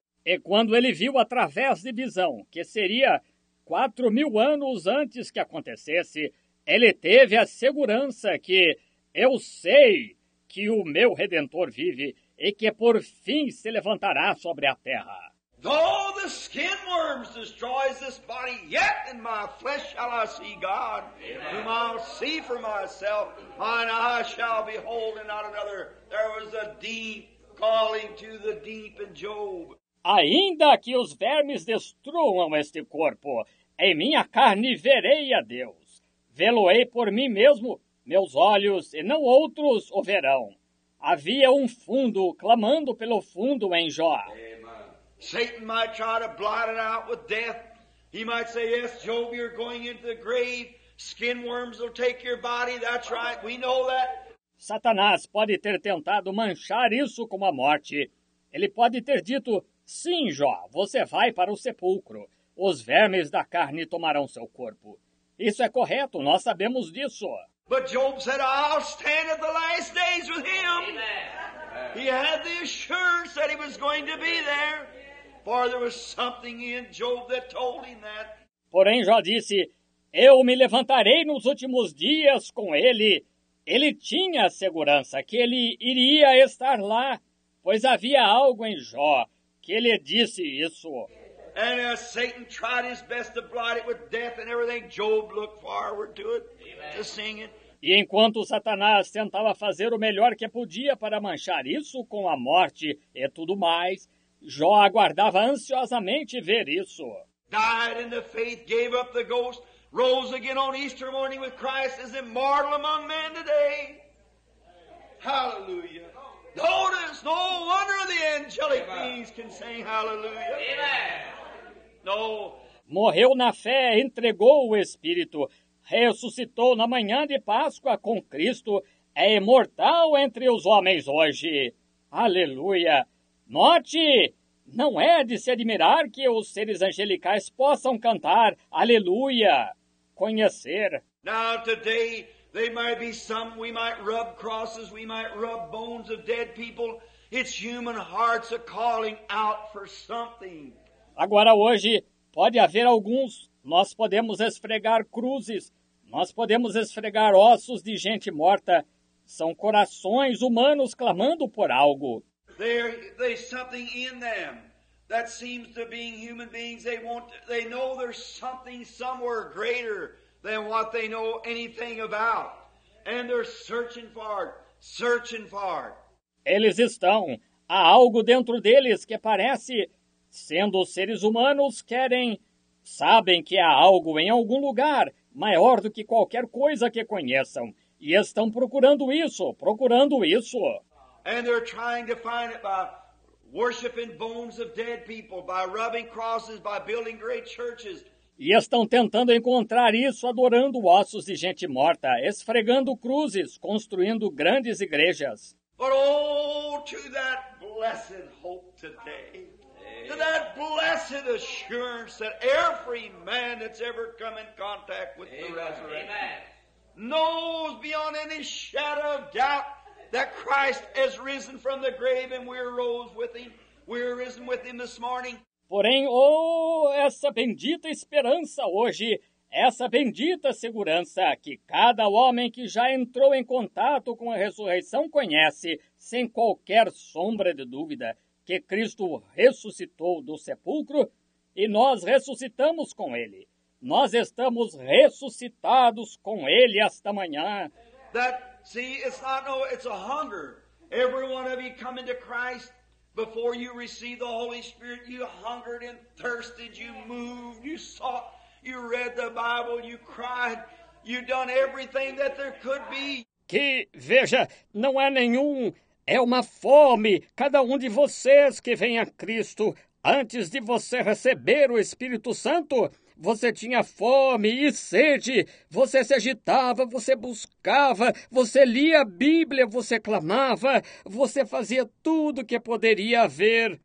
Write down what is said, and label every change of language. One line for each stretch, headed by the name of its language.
Portuguese: E quando ele viu através de visão, que seria 4,000 anos antes que acontecesse, ele teve a segurança que eu sei que o meu Redentor vive e que por fim se levantará sobre a terra.
English: Though the skin worms destroys this body, yet in my flesh shall I see God, Amen. Whom I'll see for myself, mine eyes shall behold and not another. There was a deep calling to the deep in Job.
Portuguese: Ainda que os vermes destruam este corpo, em minha carne verei a Deus. Vê-lo-ei por mim mesmo, meus olhos, e não outros o verão. Havia um fundo clamando pelo fundo em Jó.
English: Satan might try to blot it out with death. He might say, yes, Job, you're going into the grave. Skin worms will take your body. That's right. We know that.
Portuguese: Satanás pode ter tentado manchar isso com a morte. Ele pode ter dito, sim, Jó, você vai para o sepulcro. Os vermes da carne tomarão seu corpo. Isso é correto. Nós sabemos disso.
English: But Job said, I'll stand at the last days with him. Amen. He had the assurance that he was going to be there. For there was something in Job that told him that.
Portuguese: Porém, Jó disse, eu me levantarei nos últimos dias com ele. Ele tinha a segurança que ele iria estar lá, pois havia algo em Jó que ele disse isso.
English: And Satan tried his best to blot it with death and everything. Job looked forward to it, to seeing it.
Portuguese: E enquanto Satanás tentava fazer o melhor que podia para manchar isso com a morte e tudo mais, Jó aguardava ansiosamente ver isso.
English: Died in the faith, gave up the ghost, rose again on Easter morning with Christ as immortal among men today. Hallelujah. Notice, no wonder the angelic beings can sing hallelujah. Amen. No.
Portuguese: Morreu na fé, entregou o Espírito, ressuscitou na manhã de Páscoa com Cristo, é imortal entre os homens hoje. Aleluia. Note, não é de se admirar que os seres angelicais possam cantar aleluia, conhecer.
English: Now today, there might be some, we might rub crosses, we might rub bones of dead people. It's human hearts are calling out for something.
Portuguese: Agora hoje, pode haver alguns, nós podemos esfregar cruzes, nós podemos esfregar ossos de gente morta. São corações humanos clamando por algo.
English: There's something in them that seems to be human beings. They know there's something somewhere greater than what they know anything about. And they're searching for it, searching for it.
Portuguese: Eles estão. Há algo dentro deles que parece, sendo seres humanos, querem, sabem que há algo em algum lugar maior do que qualquer coisa que conheçam. E estão procurando isso, procurando isso.
English: And they're trying to find it by worshiping bones of dead people, by rubbing crosses, by building great churches.
Portuguese: E estão tentando encontrar isso adorando ossos de gente morta, esfregando cruzes, construindo grandes igrejas.
English: But oh, to that blessed hope today. To that blessed assurance that every man that's ever come in contact with Amen. The resurrection knows beyond any shadow of doubt that Christ has risen from the grave and we arose with him. We are risen with him this morning.
Portuguese: Porém, oh, essa bendita esperança hoje, essa bendita segurança que cada homem que já entrou em contato com a ressurreição conhece, sem qualquer sombra de dúvida, que Cristo ressuscitou do sepulcro e nós ressuscitamos com ele. Nós estamos ressuscitados com ele esta manhã.
English: That, see, it's not, no, it's a hunger. Every one of you coming to Christ. Before you received the Holy Spirit, you hungered and thirsted, you moved, you sought, you read the Bible, you cried, you done everything that there could be.
Portuguese: Que, veja, não é nenhum, é uma fome. Cada um de vocês que vem a Cristo, antes de você receber o Espírito Santo, você tinha fome e sede, você se agitava, você buscava, você lia a Bíblia, você clamava, você fazia tudo o que poderia haver.